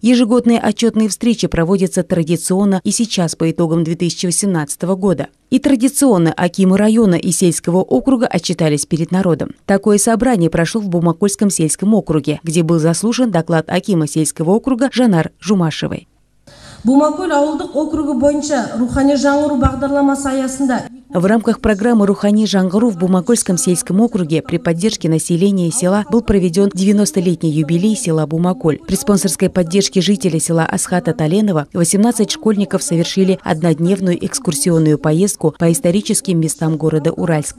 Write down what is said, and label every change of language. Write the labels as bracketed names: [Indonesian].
[Russian] Ежегодные отчетные встречи проводятся традиционно и сейчас по итогам 2018 года. И традиционно акимы района и сельского округа отчитались перед народом. Такое собрание прошло в Бумакольском сельском округе, где был заслушан доклад акима сельского округа Жанар Жумашевой. [Kazakh] Бумакөл ауылдық округы бойынша рухани жаңғыру бағдарламасы аясында. [Russian] В рамках программы «Рухани жаңғыру» в Бумакольском сельском округе при поддержке населения села был проведен 90-летний юбилей села Бумаколь. При спонсорской поддержке жителей села Асхата Таленова 18 школьников совершили однодневную экскурсионную поездку по историческим местам города Уральск.